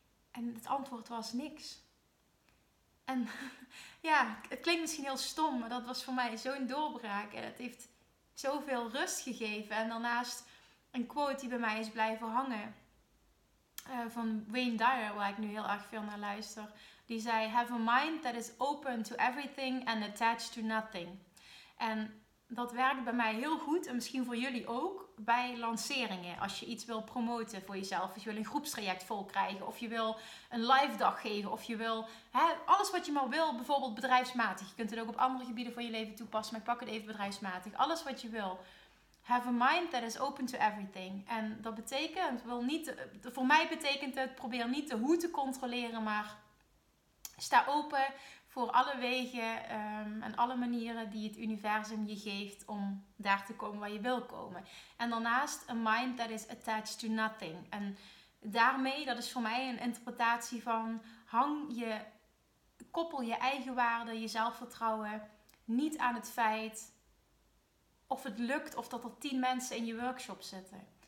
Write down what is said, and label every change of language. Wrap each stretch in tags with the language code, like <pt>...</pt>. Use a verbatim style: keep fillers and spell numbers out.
<nl>En het antwoord was niks. En ja, het klinkt misschien heel stom, maar dat was voor mij zo'n doorbraak. En het heeft zoveel rust gegeven. En daarnaast een quote die bij mij is blijven hangen. Uh, van Wayne Dyer, waar ik nu heel erg veel naar luister. Die zei,</nl> <en>have a mind that is open to everything and attached to nothing.</en> <nl>En dat werkt bij mij heel goed. En misschien voor jullie ook. Bij lanceringen. Als je iets wil promoten voor jezelf. Als je wil een groepstraject vol krijgen. Of je wil een live dag geven. Of je wil hè, alles wat je maar wil. Bijvoorbeeld bedrijfsmatig. Je kunt het ook op andere gebieden van je leven toepassen. Maar ik pak het even bedrijfsmatig. Alles wat je wil.</nl> <en>Have a mind that is open to everything.</en> <nl>En dat betekent, wil niet, voor mij betekent het, probeer niet de hoe te controleren, maar sta open voor alle wegen um, en alle manieren die het universum je geeft om daar te komen waar je wil komen. En daarnaast,</nl> <en>a mind that is attached to nothing.</en> <nl>En daarmee, dat is voor mij een interpretatie van, hang je, koppel je eigen waarde, je zelfvertrouwen niet aan het feit of het lukt of dat er tien mensen in je workshop zitten.</nl>